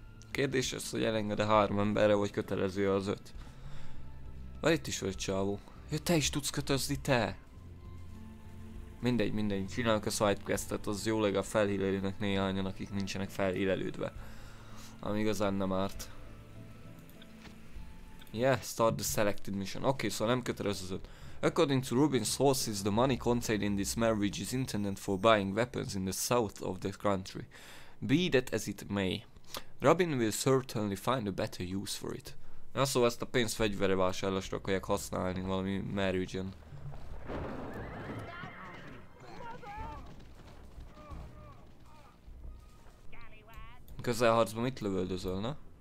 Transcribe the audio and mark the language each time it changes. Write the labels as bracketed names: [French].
[Hungarian] Kérdés az, hogy elenged a három emberre, vagy kötelező az öt. Vagy itt is vagy csávó. Jó, te is tudsz kötözni, te! Mindegy, csinálok a sidequestet, az jó legalább felhílelődnek néhányan, akik nincsenek felhílelődve. Ami igazán nem árt. [English] Yeah, start the selected mission. Okay, so [Hungarian] nem kötelezőt. [English] According to Rubin's sources, the money contained in this marriage is intended for buying weapons in the south of the country. Be that as it may, Robin will certainly find a better use for it. [Hungarian] Na szóval ezt a pénzt fegyverevásárlásra akarják használni valami marriage-en. Közelharcban mit lövöldözöl, na?